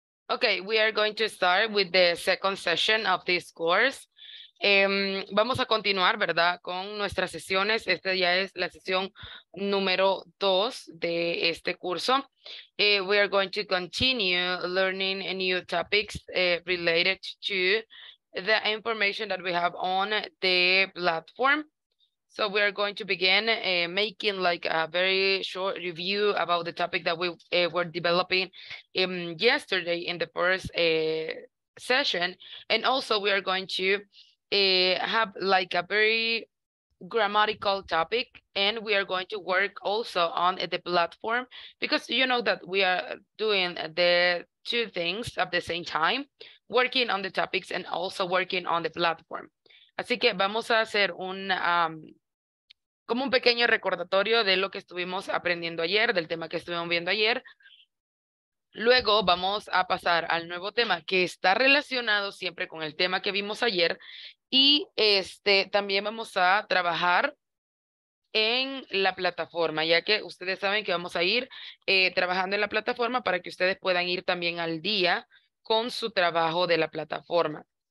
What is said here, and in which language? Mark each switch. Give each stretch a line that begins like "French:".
English: Okay, we are going to start with the second session of this course.
Spanish: Vamos a continuar, ¿verdad?, con nuestras sesiones. Esta ya es la sesión número 2 de este curso.
English: We are going to continue learning new topics related to the information that we have on the platform. So we are going to begin making like a very short review about the topic that we were developing yesterday in the first session. And also we are going to have like a very grammatical topic, and we are going to work also on the platform, because you know that we are doing the two things at the same time, working on the topics and also working on the platform.
Spanish: Así que vamos a hacer un como un pequeño recordatorio de lo que estuvimos aprendiendo ayer, del tema que estuvimos viendo ayer. Luego vamos a pasar al nuevo tema que está relacionado siempre con el tema que vimos ayer. Y también vamos a trabajar en la plataforma, ya que ustedes saben que vamos a ir trabajando en la plataforma para que ustedes puedan ir también al día con su trabajo de la plataforma.